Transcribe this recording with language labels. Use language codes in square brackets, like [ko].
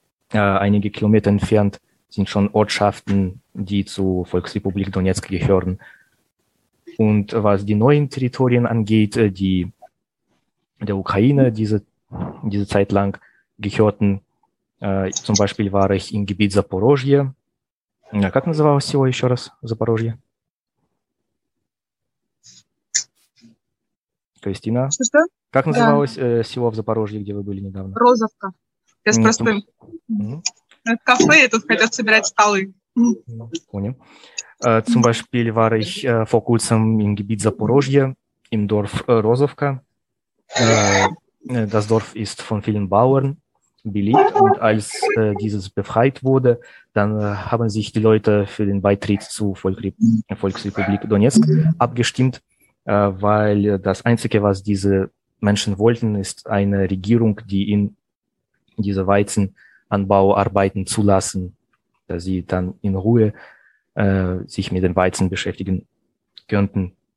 [de] Einige Kilometer entfernt sind schon Ortschaften, die zur Volksrepublik Donetsk gehören. Und was die neuen Territorien angeht, die der Ukraine diese Zeit lang gehörten, zum Beispiel war ich im Gebiet Zaporozhye. [ru] Ja, как называлось его еще раз, Запорожье? Кристина? Что? Как называлось село в Запорожье, где вы были недавно? Розовка. Я с простым. Это кафе, и тут хотят собирать столы. Понял. [de] Zum Beispiel war ich vor kurzem im Gebiet Zaporozhye, im Dorf Rozovka. Das Dorf ist von vielen Bauern beliebt und als dieses befreit wurde, dann haben sich die Leute für den Beitritt zur Volksrepublik Donetsk abgestimmt, weil das Einzige, was diese Menschen wollten, ist eine Regierung, die ihnen diese Weizenanbauarbeiten zulassen, dass sie dann in Ruhe sich mit den Weizen beschäftigen könnten.